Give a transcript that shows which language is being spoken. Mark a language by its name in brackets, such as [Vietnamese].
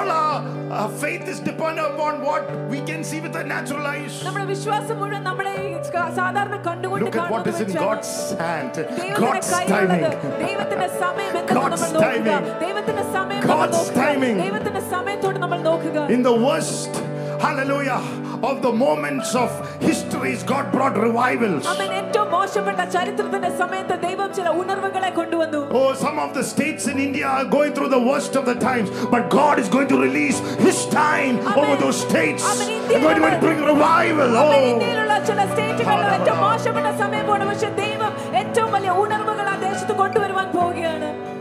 [English] All our faith is dependent upon what we can see with our natural eyes. [Malayalam] നമ്മുടെ വിശ്വാസം മുഴുവൻ നമ്മുടെ സാധാരണ കണ്ണുകൊണ്ട് കാണുന്നത് വെച്ചാണ്. [English] Look at what is in God's hand. God's timing. [Malayalam] ദൈവത്തിന്റെ സമയം എന്താണെന്ന് നമ്മൾ നോക്കുക. ദൈവത്തിന്റെ സമയം എന്താണ്? [English] God's timing. [Malayalam] ദൈവത്തിന്റെ സമയത്തോട് നമ്മൾ നോക്കുക. [English] In the worst, hallelujah, of the moments of history, God brought revivals. [Malayalam] അമേൻ. ഏറ്റവും മോശപ്പെട്ട ചരിത്രത്തിന്റെ സമയത്ത് ദൈവം ചില ഉണർവുകളെ കൊണ്ടുവന്നു. [English] Oh, some of the states in India are going through the worst of the times, but God is going to release his time over those states. [Malayalam] Amen. [English] God is going to bring revival. [Malayalam] അമേൻ. ഇന്ത്യയിലുള്ള ചില സ്റ്റേറ്റുകളിൽ ഏറ്റവും മോശപ്പെട്ട സമയം പോലെ, പക്ഷേ ദൈവം ഏറ്റവും വലിയ ഉണർവുകൾ ആ ദേശത്ത് കൊണ്ടുവരുവാൻ പോവുകയാണ്.